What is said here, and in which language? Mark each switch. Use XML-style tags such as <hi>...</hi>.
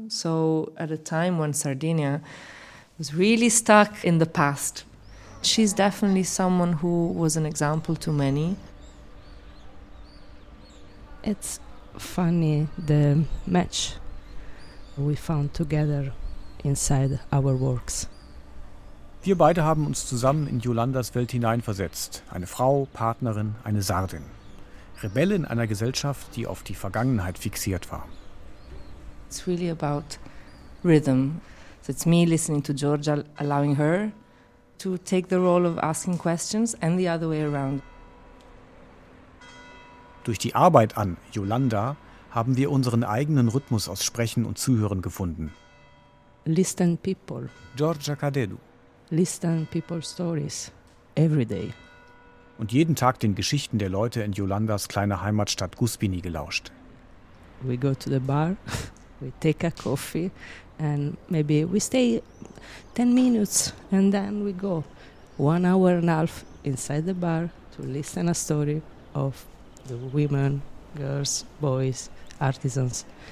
<en>So at a time when Sardinia was really stuck in the past, she's definitely someone who was an example to many. It's funny, the match we found together inside our works.</en> <de>Wir beide haben uns zusammen in Yolandas Welt hineinversetzt. Eine Frau, Partnerin, eine Sardin. Rebellin einer Gesellschaft, die auf die Vergangenheit fixiert war.</de> <en>It's really about rhythm. So it's me listening to Georgia, allowing her to take the role of asking questions and the other way around.</en> <de>Durch die Arbeit an Yolanda haben wir unseren eigenen Rhythmus aus Sprechen und Zuhören gefunden.</de> <en>Listen people. Georgia Cadelu. Listen people's stories every day.</en> <de>Und jeden Tag den Geschichten der Leute in Yolandas kleiner Heimatstadt Guspini gelauscht.</de> <en>We go to the bar, we take a coffee and maybe we stay 10 minutes and then we go 1 hour and a half inside the bar to listen a story of the women, girls, boys, artisans.</en>